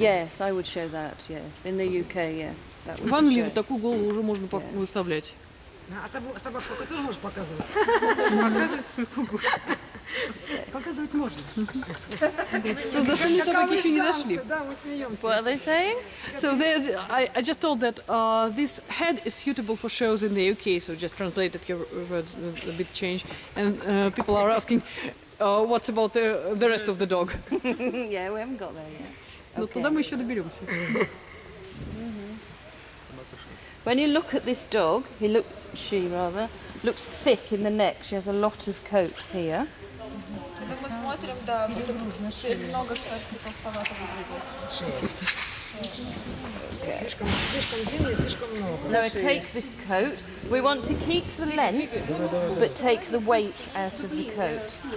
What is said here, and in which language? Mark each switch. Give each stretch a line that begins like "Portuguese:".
English: Yes, I would show that, yeah. In the UK, yeah.
Russian: В Англии вот такую голову уже можно выставлять. А собаку какой тоже можешь показывать? Показывать свою кугу. Показывать можно. Ну, до сами собаки еще не дошли. Да, мы смеемся.
English: What are they saying? So I just told that this head is suitable for shows in the UK, so just translated your words a bit change. And people are asking, what's about the rest of the dog? Yeah, we haven't got there yet.
Russian: Ну, туда мы еще доберемся.
English: When you look at this dog, he looks, she rather, looks thick in the neck. She has a lot of coat here.
Russian: Мы смотрим, да, много шерсти толстовато выглядит.
English: So I take this coat. We want to keep the length, but take the weight out of the coat.